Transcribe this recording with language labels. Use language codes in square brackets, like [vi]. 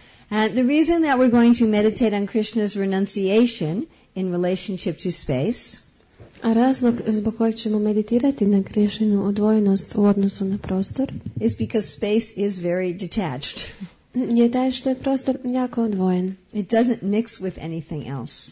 [en] And the reason that we're going to meditate on Krishna's renunciation in relationship to space. [hr] A razlog zbog kojeg ćemo meditirati na Krišninu odvojenost u odnosu na prostor. [en] Is because space is very detached. [hr] Je taj što je prostor jako odvojen. [en] It doesn't mix with anything else.